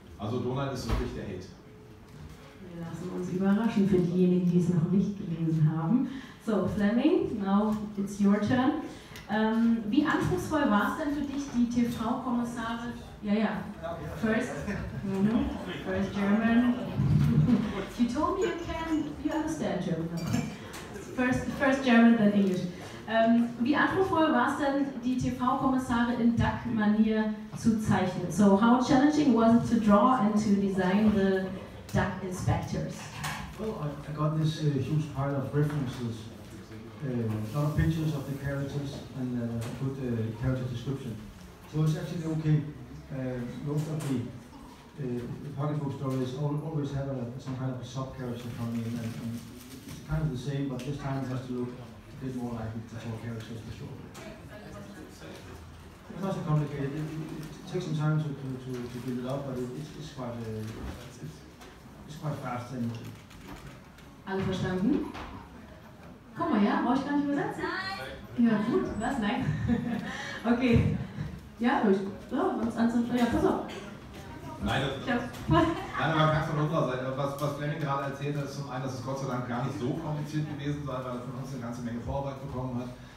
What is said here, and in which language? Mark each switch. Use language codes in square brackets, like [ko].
[de] Also Donald ist wirklich der Held. Lassen wir uns überraschen für diejenigen, die es noch nicht gelesen haben. [en] So, Flemming, now it's your turn. [de] Wie anspruchsvoll war es denn für dich, die TV-Kommissarin? [en] Ja. First German. If you told me you can, you understand German. First German, then English. [de] Wie anspruchsvoll war es denn, die TV-Kommissarin in Duck-Manier zu zeichnen? [en] So, how challenging was it to draw and to design the Duck inspectors? Well, I got this huge pile of references, a lot of pictures of the characters, and put a character description. So it's actually okay. Most of the pocketbook stories always have some kind of a sub character coming in, and it's kind of the same, but this time it has to look a bit more like the four characters for sure. Was complicated. It takes some time to build it up, but it's quite it's quite fast and. [de] Alle verstanden? Komm mal, ja, brauche ich gar nicht übersetzen. Nein. Ja, gut, was? Nein. Okay. Ja, ruhig. So, was anzufangen? Ja, pass auf. Nein, man kann es von unserer Seite. Was Fleming gerade erzählt hat, ist zum einen, dass es Gott sei Dank gar nicht so kompliziert gewesen sei, weil er von uns eine ganze Menge Vorarbeit bekommen hat.